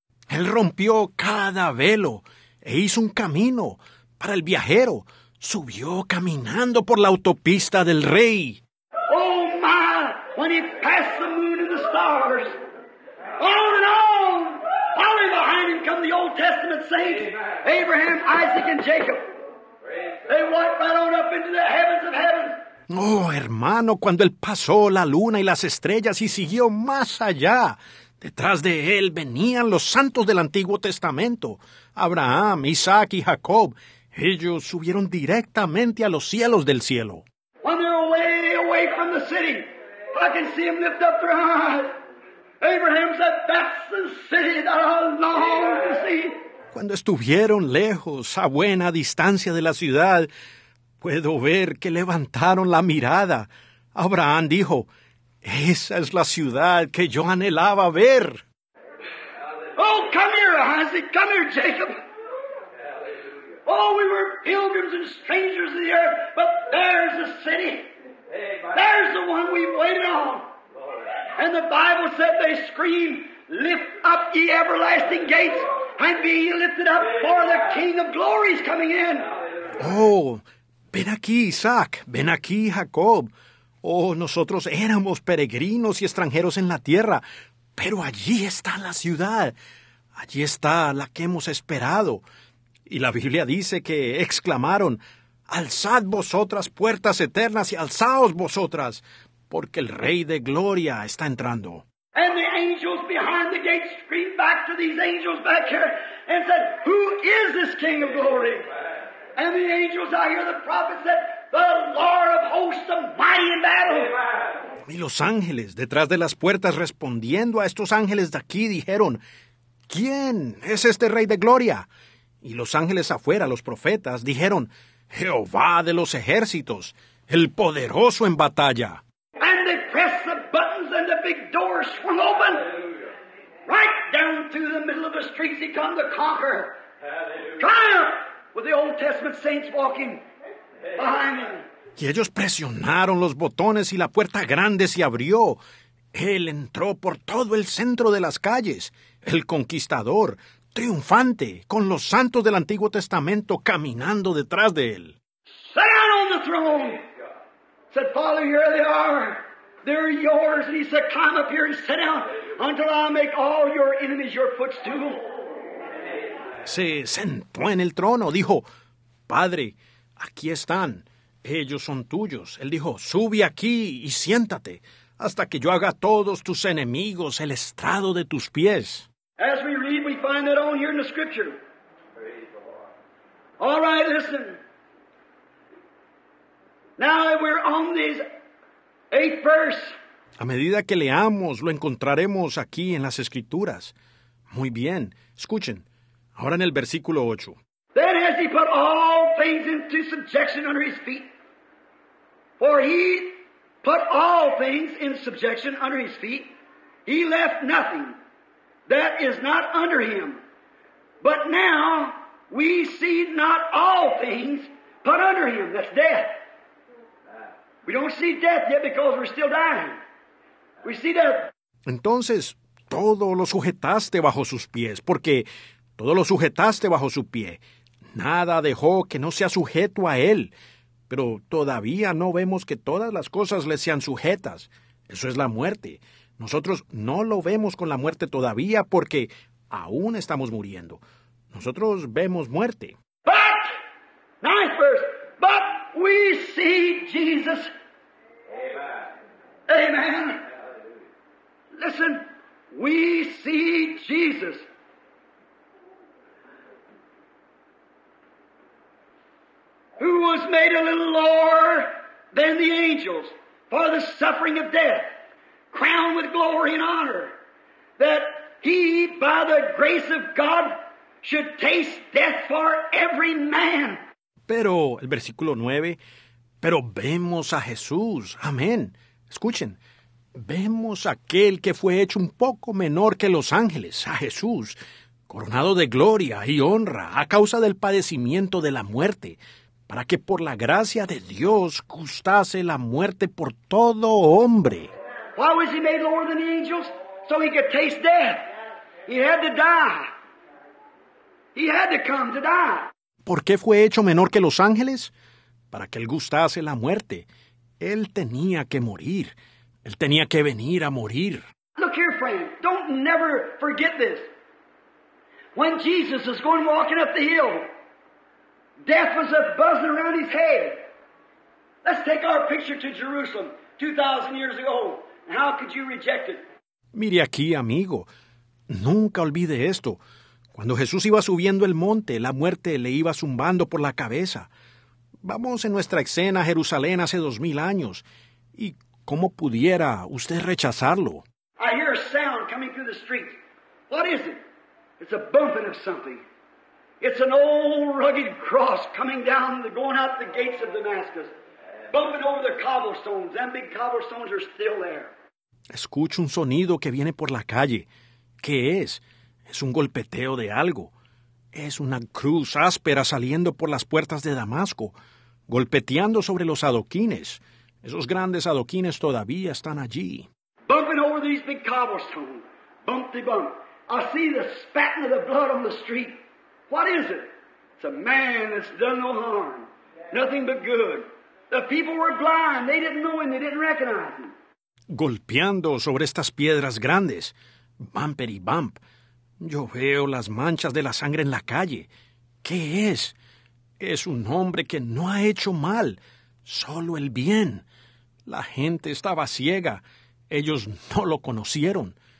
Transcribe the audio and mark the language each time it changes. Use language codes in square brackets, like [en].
[es] Él rompió cada velo e hizo un camino para el viajero. Subió caminando por la autopista del rey. [en] Oh my, when he passed the moon and the stars. On and on, following behind him come the Old Testament saints, Abraham, Isaac, and Jacob. They walked right on up into the heavens of heaven. [es] Oh, hermano, cuando él pasó la luna y las estrellas y siguió más allá, detrás de él venían los santos del Antiguo Testamento, Abraham, Isaac y Jacob. Ellos subieron directamente a los cielos del cielo. [en] When they're away from the city, I can see them lift up their eyes. Abraham said, that's the city that I long to see. [es] Cuando estuvieron lejos, a buena distancia de la ciudad, puedo ver que levantaron la mirada. Abraham dijo, esa es la ciudad que yo anhelaba ver. [en] Oh, come here, Isaac. Come here, Jacob. Oh, we were pilgrims and strangers in the earth, but there's the city. There's the one we waited on. And the Bible said they scream, lift up ye everlasting gates, and be ye lifted up, for the King of Glory is coming in. [es] Oh, ven aquí, Isaac. Ven aquí, Jacob. Oh, nosotros éramos peregrinos y extranjeros en la tierra, pero allí está la ciudad. Allí está la que hemos esperado. Y la Biblia dice que exclamaron, alzad vosotras puertas eternas y alzaos vosotras, porque el Rey de Gloria está entrando. [en] And the angels behind the gate screamed back to these angels back here and said, who is this King of Glory? And the angels, I hear the prophet said, the Lord of hosts, the mighty in battle. [es] Y los ángeles detrás de las puertas respondiendo a estos ángeles de aquí dijeron, ¿quién es este Rey de Gloria? Y los ángeles afuera, los profetas, dijeron, Jehová de los ejércitos, el poderoso en batalla. [en] And they pressed the buttons and the big doors swung open. Right down through the middle of the streets he come to conquer. Triumph with the Old Testament saints walking behind him. [es] Y ellos presionaron los botones y la puerta grande se abrió. Él entró por todo el centro de las calles, el conquistador, triunfante, con los santos del Antiguo Testamento caminando detrás de él. [en] Sit down on the throne. Said, Father, here they are. They're yours. And he said, climb up here and sit down until I make all your enemies your footstool. [es] Se sentó en el trono. Dijo, Padre, aquí están. Ellos son tuyos. Él dijo, sube aquí y siéntate hasta que yo haga todos tus enemigos el estrado de tus pies. [en] As we read, we find that all here in the scripture. All right, listen. Now that we're on this eighth verse. [es] A medida que leamos, lo encontraremos aquí en las escrituras. Muy bien. Escuchen. Ahora en el versículo 8. [en] Then has he put all things into subjection under his feet. For he put all things in subjection under his feet. He left nothing that is not under him. But now we see not all things put under him. That's death. We don't see death yet because we're still dying. We see death. [es] Entonces, todo lo sujetaste bajo sus pies, porque todo lo sujetaste bajo su pie. Nada dejó que no sea sujeto a él. Pero todavía no vemos que todas las cosas le sean sujetas. Eso es la muerte. Nosotros no lo vemos con la muerte todavía porque aún estamos muriendo. Nosotros vemos muerte. [en] But, ninth verse, but we see Jesus. Amen. Amen. Listen, we see Jesus. Who was made a little lower than the angels for the suffering of death. Crowned with glory and honor, that he, by the grace of God, should taste death for every man. [es] Pero, el versículo 9, pero vemos a Jesús, amén. Escuchen, vemos a aquel que fue hecho un poco menor que los ángeles, a Jesús, coronado de gloria y honra a causa del padecimiento de la muerte, para que por la gracia de Dios gustase la muerte por todo hombre. [en] Why was he made lower than the angels? So he could taste death. He had to die. He had to come to die. [es] ¿Por qué fue hecho menor que los ángeles? Para que él gustase la muerte. Él tenía que morir. Él tenía que venir a morir. [en] Look here, friend. Don't never forget this. When Jesus is going walking up the hill, Death was a buzzing around his head. Let's take our picture to Jerusalem 2,000 years ago. How could you reject it? [es] Mire aquí, amigo. Nunca olvide esto. Cuando Jesús iba subiendo el monte, la muerte le iba zumbando por la cabeza. Vamos en nuestra escena a Jerusalén hace 2,000 años. ¿Y cómo pudiera usted rechazarlo? [en] I hear a sound coming through the street. What is it? It's a bumping of something. It's an old rugged cross coming down, going out the gates of Damascus. Bumping over the cobblestones. Them big cobblestones are still there. [es] Escucho un sonido que viene por la calle. ¿Qué es? Es un golpeteo de algo. Es una cruz áspera saliendo por las puertas de Damasco, golpeteando sobre los adoquines. Esos grandes adoquines todavía están allí. [en] Bumping over these big cobblestones. Bump de bump. I see the spatting of the blood on the street. What is it? It's a man that's done no harm. Nothing but good. The people were blind. They didn't know him. They didn't recognize him. [es] Golpeando sobre estas piedras grandes, bumpity bump, yo veo las manchas de la sangre en la calle. ¿Qué es? Es un hombre que no ha hecho mal, solo el bien. La gente estaba ciega. Ellos no lo conocieron.